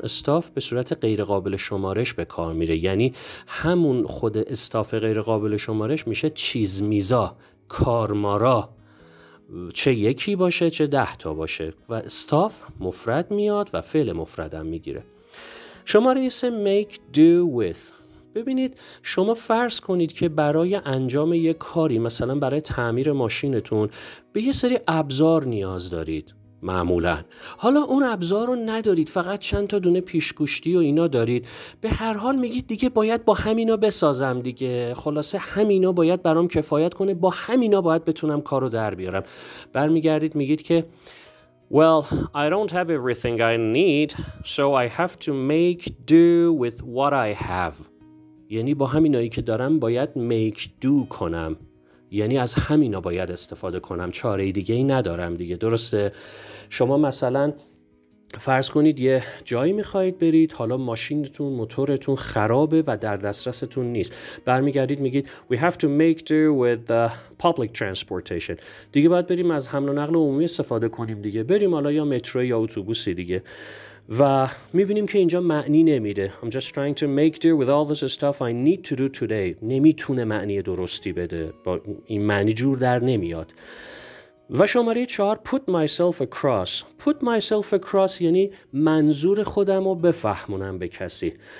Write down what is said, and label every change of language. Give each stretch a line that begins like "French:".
Persian: استاف به صورت غیر قابل شمارش به کار میره، یعنی همون خود استاف غیر قابل شمارش میشه چیزمیزا، کارمارا، چه یکی باشه چه ده تا باشه. و استاف مفرد میاد و فعل مفردم میگیره. شماره 3، make do with. ببینید، شما فرض کنید که برای انجام یک کاری، مثلا برای تعمیر ماشینتون، به یه سری ابزار نیاز دارید معمولا. حالا اون ابزار رو ندارید، فقط چند تا دونه پیشگوشتی و اینا دارید. به هر حال میگید دیگه باید با همینا بسازم دیگه، خلاصه همینا باید برام کفایت کنه، با همینا باید بتونم کارو در بیارم. برمیگردید میگید که
English: Well, I don't have everything I need, so I have to make do with what I have.
Persian: یعنی با همینایی که دارم باید make do کنم، یعنی از همینا باید استفاده کنم، چاره دیگه ای ندارم دیگه. درسته؟ شما مثلا فرض کنید یه جایی میخواهید برید، حالا ماشینتون، موتورتون خرابه و در دسترستون نیست. برمیگردید میگید
English: We have to make do with the public transportation.
Persian: دیگه باید بریم از حمل و نقل عمومی استفاده کنیم دیگه، بریم حالا یا مترو یا اتوبوسی دیگه. و میبینیم که اینجا معنی نمیده.
English: I'm just trying to make do with all this stuff I need to do today.
Persian: نمیتونه معنی درستی بده، با این معنی جور در نمیاد. و شماره 4، put myself across. put myself across یعنی منظور خودم رو بفهمونم به کسی.